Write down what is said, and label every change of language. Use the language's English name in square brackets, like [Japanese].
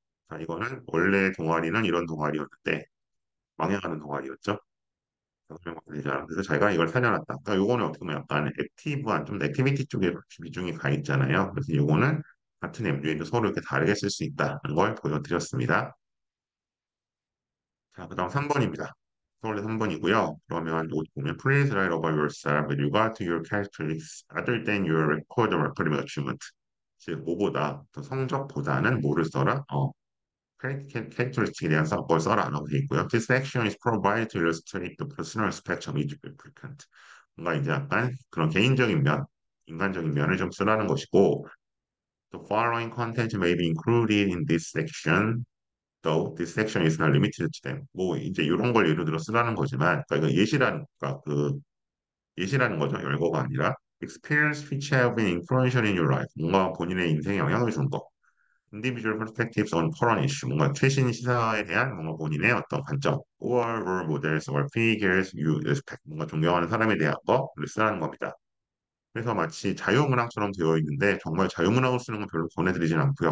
[Korean] 자, 이거는 원래 동아리는 이런 동아리였는데 망해가는 동아리였죠. 그래서 제가 이걸 사려놨다. 그러니까 이거는 어떻게 보면 약간 액티브한 좀 액티비티 쪽에 비중이 가 있잖아요. 그래서 이거는 같은 MUN도 서로 이렇게 다르게 쓸수 있다는 걸 보여드렸습니다. 자, 그다음 3번입니다. 서울대 3번이고요. 그러면 여기 보면 [English] Please write about yourself with regard to your characteristics other than your record or academic achievement. [Korean] 즉, 뭐보다 더 성적보다는 뭐를 써라? characteristics에 대한 뭘 써라? 라고 되어 있고요. [English] This action is provided to illustrate the personal spectrum of each applicant. [Korean] 뭔가 이제 약간 그런 개인적인 면, 인간적인 면을 좀 쓰라는 것이고 [English] The following content may be included in this section, though this section is not limited to them. [Korean] 뭐 이제 이런 걸 예로 들어 쓰라는 거지만, 그러니까 예시라는 그러니까 그 예시라는 거죠. 열거가 아니라 [English] experience which have been influential in your life. [Korean] 뭔가 본인의 인생에 영향을 준 거. [English] Individual perspectives on current issue. [Korean] 뭔가 최신 시사에 대한 뭔가 본인의 어떤 관점. [English] Or role models or figures you respect. [Korean] 뭔가 존경하는 사람에 대한 거를 쓰라는 겁니다. 그래서 마치 자유문항처럼 되어 있는데 정말 자유문항을 쓰는 건 별로 권해드리진 않고요.